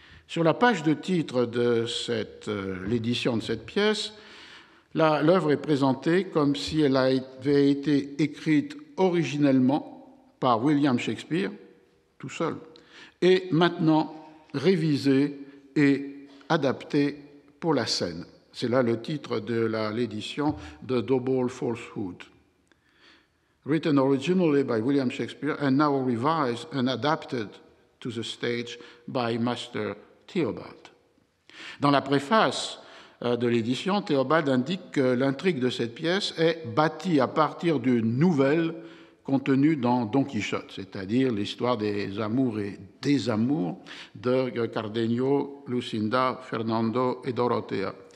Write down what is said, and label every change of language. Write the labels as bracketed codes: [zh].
[fr] Sur la page de titre de l'édition de cette pièce, l'œuvre est présentée comme si elle avait été écrite originellement par William Shakespeare, tout seul, et maintenant révisée et adaptée pour la scène. C'est là le titre de l'édition de Double Falsehood. [en] Written originally by William Shakespeare and now revised and adapted to the stage by Master Theobald. [fr] Dans la préface de l'édition, Theobald indique que l'intrigue de cette pièce est bâtie à partir d'une nouvelle contenue dans Don Quichotte, c'est-à-dire l'histoire des amours et des amours de Cardenio, Lucinda, Fernando et Dorothea.